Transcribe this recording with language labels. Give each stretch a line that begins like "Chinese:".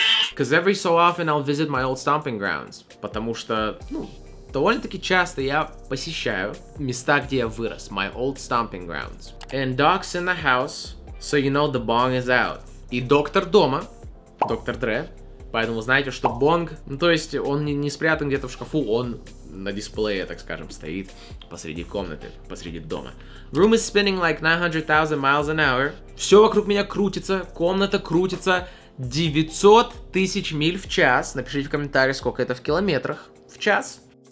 English: Because every so often I'll visit my old stomping grounds.
Russian: Потому что, ну, довольно-таки часто я посещаю места, где я вырос.
English: My old stomping grounds. And Doc's in the house, so you know the bong is out.
Russian: И доктор дома, доктор Dre. Поэтому знаете, что бонг, ну, то есть он не спрятан где-то в шкафу, он на дисплее, так скажем, стоит посреди комнаты, посреди дома.
English: Room is spinning like 900,000 miles an hour.
Russian: Все вокруг меня крутится, комната крутится 900 тысяч миль в час. Напишите в комментариях, сколько это в километрах в час.